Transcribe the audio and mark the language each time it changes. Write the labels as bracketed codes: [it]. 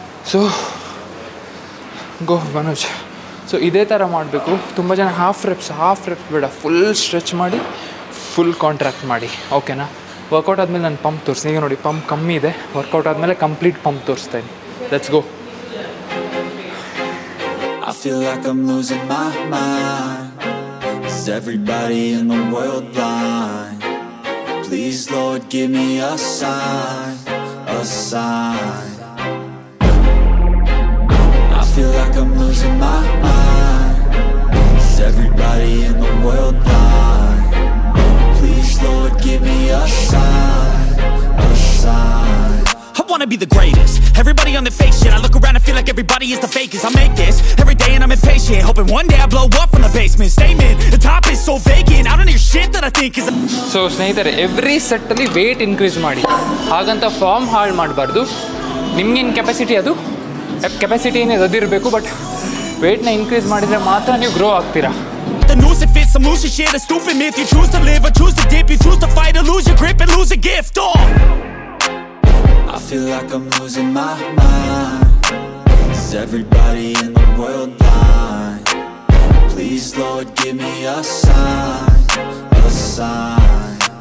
[kn] So go Manoj. So ಇದೇ ಥರ ಮಾಡಬೇಕು. ತುಂಬ ಜನ ಹಾಫ್ ರೆಪ್ಸ್, ಹಾಫ್ ರೆಪ್ಸ್ ಬೇಡ, ಫುಲ್ ಸ್ಟ್ರೆಚ್ ಮಾಡಿ, ಫುಲ್ ಕಾಂಟ್ರಾಕ್ಟ್ ಮಾಡಿ, ಓಕೆನಾ? ವರ್ಕೌಟ್ ಆದಮೇಲೆ ನಾನು ಪಂಪ್ ತೋರಿಸ್ತೀನಿ. ಈಗ ನೋಡಿ, ಪಂಪ್ ಕಮ್ಮಿ ಇದೆ, ವರ್ಕೌಟ್ ಆದಮೇಲೆ ಕಂಪ್ಲೀಟ್ ಪಂಪ್ ತೋರಿಸ್ತೇನೆ. [en] Let's go. I feel like I'm losing my mind. Is everybody in the world blind? Please, Lord, give me a sign, a sign. I feel like I'm losing my mind. Is everybody in the world blind? Please, Lord, give me a sign, a sign. I wanna be the greatest. Everybody on their fake shit. I look around and feel like everybody is the fakest. I make this every day and I'm impatient, hoping one day I blow up from the basement. Statement, the top is so vacant. I don't hear shit that I think is. [kn] So ಸ್ನೇಹಿತರೆ, every ಸೆಟ್ಟಲ್ಲಿ wait increase ಮಾಡಿ, ಹಾಗಂತ form ಹಾಳು ಮಾಡಬಾರ್ದು. ನಿಮ್ಗೇನು capacity ಅದು capacity ಏನಿದೆ ಅದಿರಬೇಕು. But ವೇಟ್ನ increase ಮಾಡಿದರೆ ಮಾತ್ರ ನೀವು ಗ್ರೋ ಆಗ್ತೀರಾ. [en] The noose if it's a moose, you share the stupid myth. You choose to live or choose to dip. You choose to fight or lose your grip and lose a gift. Oh! I feel like I'm losing my mind. Is everybody in the world blind? Please, Lord, give me a sign, a sign.